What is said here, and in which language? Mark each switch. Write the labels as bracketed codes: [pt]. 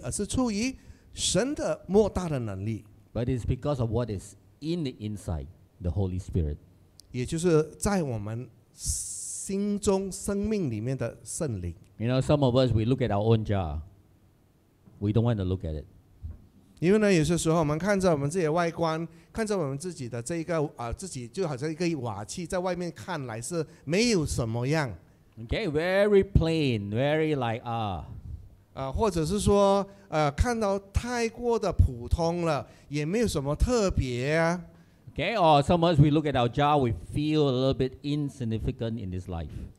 [zh] 那我们讲说这一个持久的这一个喜乐是可以永恒的，为什么呢？是因为这个不是出于我们人的能力，而是出于神的莫大的能力。But [en] it's because of what is in the inside, the Holy Spirit. [zh] 也就是在我们 心中生命里面的圣灵。You [en] know, some of us, we look at our own jar. We don't want to look at it. [zh] 因为呢，有些时候我们看着我们自己的外观，看着我们自己的这一个，自己就好像一个瓦器，在外面看来是没有什么样。Okay, [en] very plain, very like, [zh] ah.或者是说，看到太过的普通了，也没有什么特别啊。 [en] Okay, or some of us, we look at our jar, we feel a little bit insignificant in this life.